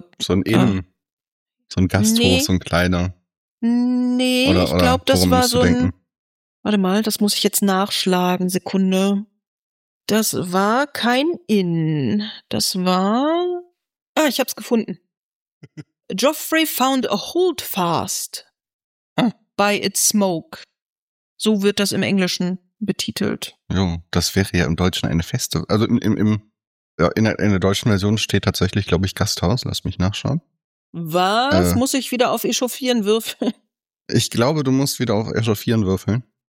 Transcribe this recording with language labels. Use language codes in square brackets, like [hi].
[de] so ein Inn, so ein Gasthof, nee. So ein kleiner. Nee, oder, ich glaube, das war so ein, warte mal, das muss ich jetzt nachschlagen, Sekunde. Das war kein Inn, das war, ich hab's gefunden. [en] Joffrey found a holdfast by its smoke. [de] So wird das im Englischen betitelt. Ja, das wäre ja im Deutschen eine Feste. Also in der deutschen Version steht tatsächlich, glaube ich, Gasthaus. Lass mich nachschauen. Was? Muss ich wieder auf Echauffieren würfeln? Ich glaube, du musst wieder auf Echauffieren würfeln.